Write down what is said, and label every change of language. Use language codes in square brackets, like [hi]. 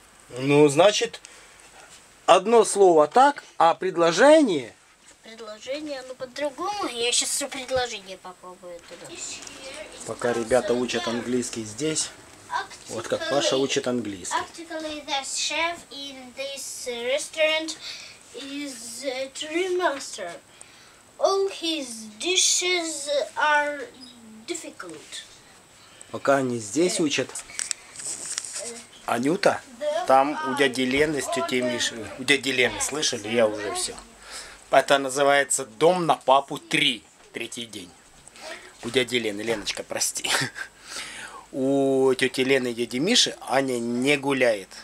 [ru] Ну, значит, одно слово так, а предложение... Предложение, ну, по-другому. Я сейчас все предложение попробую туда. Пока ребята учат английский здесь, вот как Паша учит английский. [en] Actually, the chef in this restaurant is a true master. All his dishes are difficult. [ru] Пока они здесь учат... Анюта, там у дяди Лены с тетей Мишей. У дяди Лены, слышали? Я уже все. Это называется «Дом на папу 3». Третий день. У дяди Лены. Леночка, прости. У тети Лены и дяди Миши Аня не гуляет.